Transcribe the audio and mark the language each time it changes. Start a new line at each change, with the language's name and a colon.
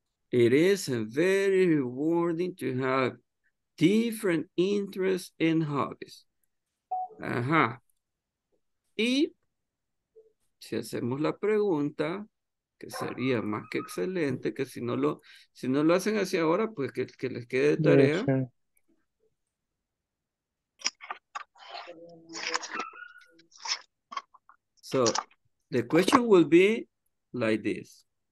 English: It is very rewarding to have different interests and hobbies. Ajá.
Spanish: Y si hacemos la pregunta, que sería más que excelente, que si no lo hacen así ahora, pues que les quede de tarea.
English: Yes, so, the question will be like this.